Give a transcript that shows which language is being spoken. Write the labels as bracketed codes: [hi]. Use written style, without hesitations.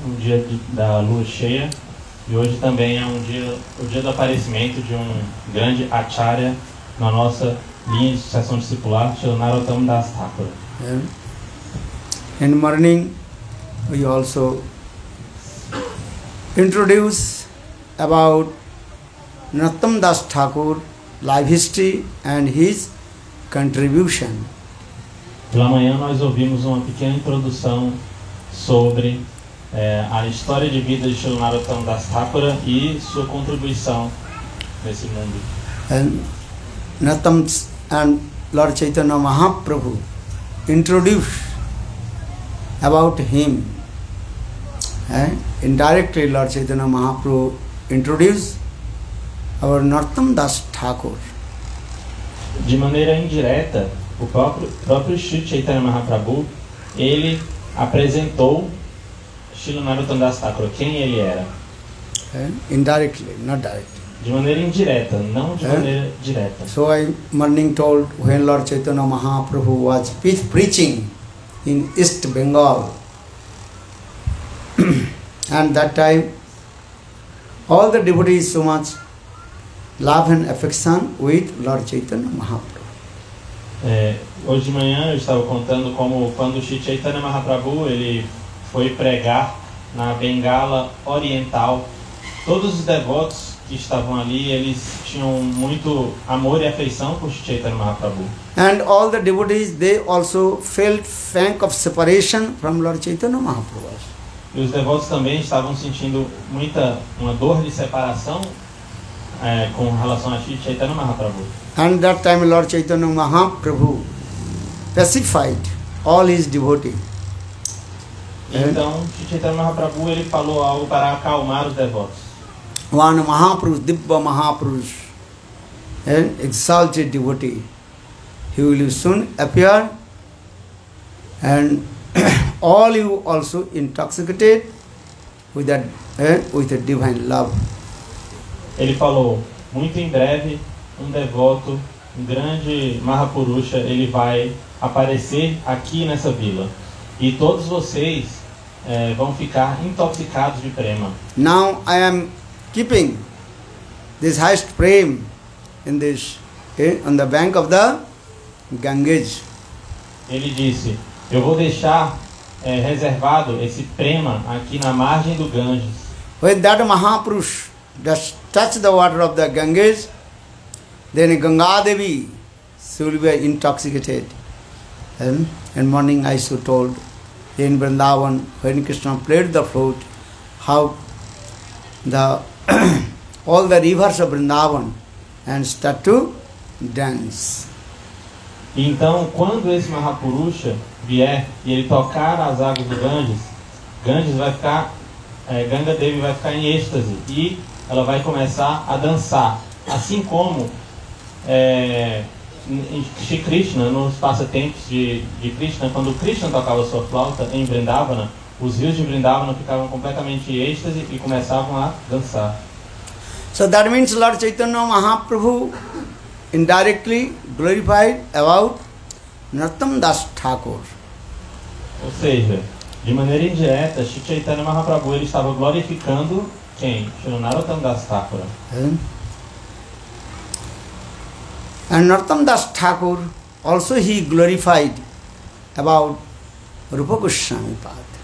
[pt] Um dia da lua cheia, e hoje também é um dia, o dia do aparecimento de um grande Acharya na nossa linha de sucessão discipular, Srila Narottam Das Thakur. [en] In morning, we also introduce about Narottam Das Thakur life history and his contribution. [pt] Pela manhã, nós ouvimos uma pequena introdução sobre a história de vida de Srila Narottam Das Thakur e sua contribuição nesse mundo. [en] And Lord Chaitanya Mahaprabhu introduced about him. Indirectly, Lord Chaitanya Mahaprabhu introduced our Narottam Das Thakur. [pt] De maneira indireta, o próprio Sri Chaitanya Mahaprabhu, ele apresentou Srila Narottam Das Thakur, quem ele era. [en] Indirectly, not directly. [pt] De maneira indireta, não de maneira direta. [en] So I morning told when Lord Chaitanya Mahaprabhu was preaching in East Bengal. And that time, all the devotees so much love and affection with Lord Chaitanya Mahaprabhu. [pt] Hoje de manhã eu estava contando como quando Sri Chaitanya Mahaprabhu ele foi pregar na Bengala Oriental, todos os devotos que estavam ali, eles tinham muito amor e afeição por Sri Chaitanya Mahaprabhu. [en] And all the devotees, they also felt pang of separation from Lord Chaitanya Mahaprabhu. [pt] E os devotos também estavam sentindo muita, uma dor de separação com relação a Sri Chaitanya Mahaprabhu. [en] And that time Lord Chaitanya Mahaprabhu pacified all his devotees. [pt] Então, Sri Chaitanya Mahaprabhu, ele falou algo para acalmar os devotos. [en] One Mahapurush, Dibba Mahapurush, an exalted devotee, he will soon appear, and all you also intoxicated with that, with a divine love. [pt] Ele falou, muito em breve, um devoto, um grande Mahapurusha, ele vai aparecer aqui nessa vila, e todos vocês vão ficar intoxicados de prema. [en] Now I am keeping this highest prem in this on the bank of the Ganges. [pt] Ele disse, eu vou deixar reservado esse prema aqui na margem do Ganges. [en] When that Mahapurush just touched the water of the Ganges, then Ganga Devi should be intoxicated. And in morning I so told in Vrindavan, when Krishna played the flute, how the all the rivers of Vrindavan and start to dance. [pt] Então, quando esse Mahapurusha vier e ele tocar as águas do Ganges, Ganges vai ficar, Ganga Devi vai ficar em êxtase e ela vai começar a dançar. Assim como Shri Krishna, nos passatempos de Krishna, quando Krishna tocava sua flauta em Vrindavana, os rios de Vrindavana ficavam completamente em êxtase e começavam a dançar. [en] So that means Lord Chaitanya Mahaprabhu indirectly glorified about Narottam Das Thakur. [pt] Ou seja, de maneira indireta, Shri Chaitanya Mahaprabhu ele estava glorificando quem? Shri Narottam Das Thakur. [en] And Narottam Das Thakur also he glorified about Rupa Goswami Pad.